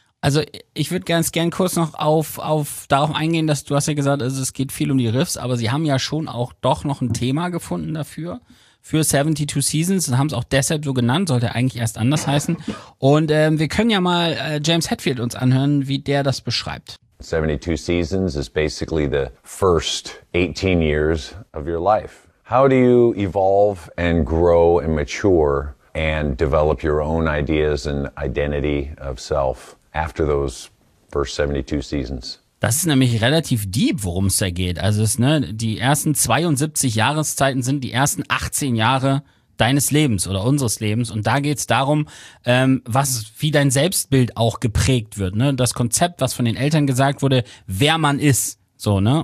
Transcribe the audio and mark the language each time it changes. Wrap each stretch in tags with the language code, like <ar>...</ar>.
<de>Also ich würde ganz gern kurz noch auf darauf eingehen, dass du hast ja gesagt, also es geht viel um die Riffs, aber sie haben ja schon auch doch noch ein Thema gefunden dafür, für 72 Seasons, und haben es auch deshalb so genannt, sollte eigentlich erst anders heißen. Und wir können ja mal James Hetfield uns anhören, wie der das beschreibt.</de> <en>72 Seasons is basically the first 18 years of your life. How do you evolve and grow and mature and develop your own ideas and identity of self after those first 72 seasons?</en> <de>Das ist nämlich relativ deep, worum es da geht. Also es, ne, die ersten 72 Jahreszeiten sind die ersten 18 Jahre deines Lebens oder unseres Lebens. Und da geht es darum, wie dein Selbstbild auch geprägt wird. Ne? Das Konzept, was von den Eltern gesagt wurde, wer man ist. So, ne?</de>